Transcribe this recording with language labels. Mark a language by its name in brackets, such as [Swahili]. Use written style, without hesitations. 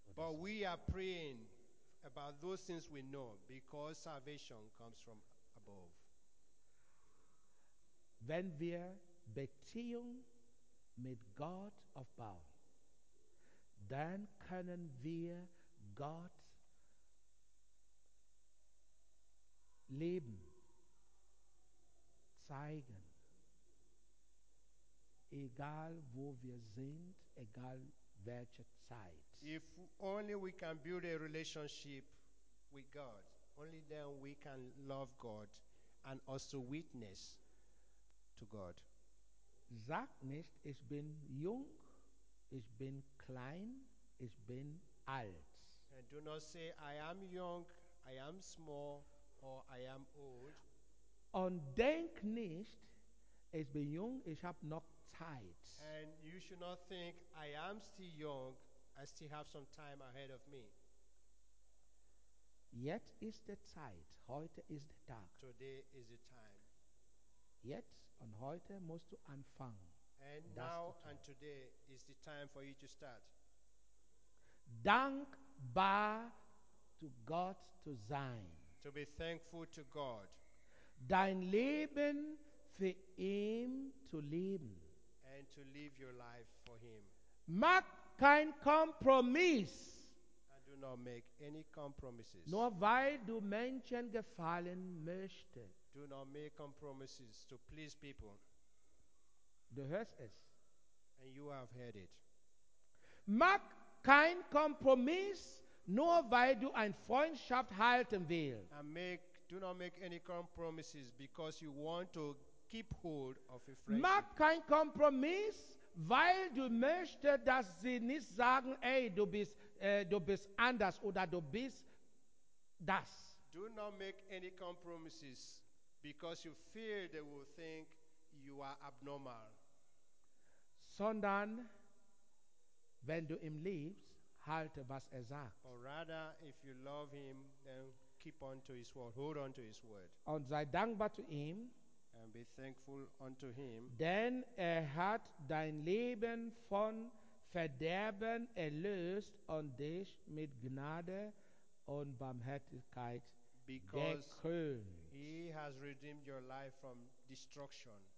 [English] But we are praying about those things we know, because salvation comes from above. [German] wenn wir Beziehung mit Gott aufbauen, dann können wir Gott leben, zeigen, egal wo wir sind, egal welche Zeit. [English] If only we can build a relationship with God, only then we can love God and also witness to God. [German] Sag nicht, ich bin jung, ich bin klein, ich bin alt. [English] And do not say, I am young, I am small, or I am old. [German] Und denk nicht, ich bin jung, ich habe noch Zeit. [English] And you should not think, I am still young, I still have some time ahead of me. [German] Jetzt ist die Zeit, heute ist der Tag. [English] Today is the time. [German] Jetzt und heute musst du anfangen. [English] And now and today is the time for you to start. [German] Dankbar [English] to God to [German] sein. [English] To be thankful to God. [German] Dein Leben für ihn zu leben. [English] And to live your life for him. [German] Mach kein Kompromiss. [English] And do not make any compromises. [German] Nur weil du Menschen gefallen möchtest. [English] Do not make compromises to please people. [German] Du hörst es. [English] And you have heard it. [German] Mach kein Kompromiss, nur weil du ein Freundschaft halten willst. [English] And do not make any compromises because you want to keep hold of a friendship. [German] Mach kein Kompromiss, weil du möchtest, dass sie nicht sagen, hey, du bist anders oder du bist das. [English] Do not make any compromises because you fear they will think you are abnormal. [German] Sondern, wenn du ihm liebst, halte, was er sagt. [English] Or rather, if you love him, then keep on to his word. Hold on to his word. [German] Und sei dankbar zu ihm. [English] And be thankful unto him. [German] Denn er hat dein Leben von Verderben erlöst und dich mit Gnade und Barmherzigkeit [English] He has redeemed your life from destruction.